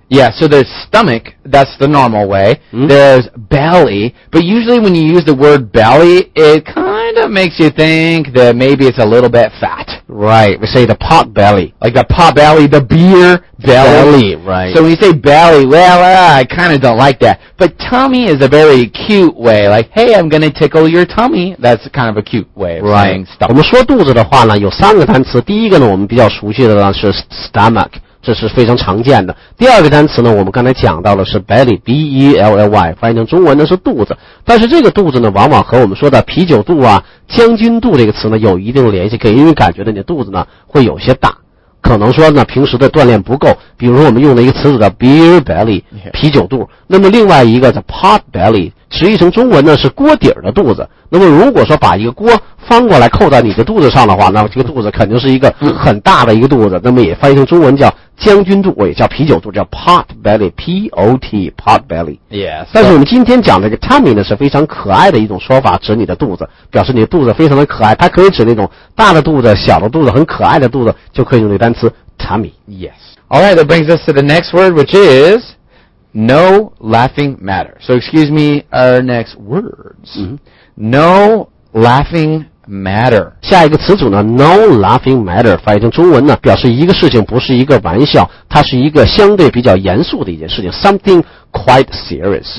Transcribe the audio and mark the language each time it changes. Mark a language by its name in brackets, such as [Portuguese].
[English] Yeah, so there's stomach, that's the normal way,、there's belly, but usually when you use the word belly, it kind of makes you think that maybe it's a little bit fat. Right, we say the pot belly. Like the pot belly, the beer belly. Belly, right. So when you say belly, well, I kind of don't like that. But tummy is a very cute way. Like, hey, I'm going to tickle your tummy. That's kind of a cute way of saying stomach. [Chinese] 我们说肚子的话呢，有三个单词。第一个呢，我们比较熟悉的呢是 stomach, 这是非常常见的。第二个单词呢，我们刚才讲到的是 belly, B-E-L-L-Y, 翻译成中文呢是肚子。但是这个肚子呢，往往和我们说的啤酒肚啊将军肚这个词呢有一定联系，给人感觉的你的肚子呢会有些大，可能说呢平时的锻炼不够，比如说我们用的一个词组叫 [English] beer belly, [Chinese] 啤酒肚。那么另外一个叫 [English] pot belly, [Chinese] 实际上中文呢是锅底儿的肚子。那么如果说把一个锅翻过来扣到你的肚子上的话，那这个肚子肯定是一个很大的一个肚子，那么也翻译成中文叫将军肚，也叫啤酒肚，叫 [English] pot belly, P-O-T, pot belly. Yes.、Yeah, so. [Chinese] 但是我们今天讲这个 tummy 呢是非常可爱的一种说法，指你的肚子，表示你的肚子非常的可爱，它可以指那种大的肚子、小的肚子、很可爱的肚子，就可以用这单词 tummy. [English] Yes. Alright, that brings us to the next word, which is... No laughing matter. So excuse me, our next words.、No laughing matter. [Chinese] 下一个词组呢 , [English] no laughing matter, [Chinese] 翻译成中文呢表示一个事情不是一个玩笑，它是一个相对比较严肃的一件事情 , [English] something quite serious.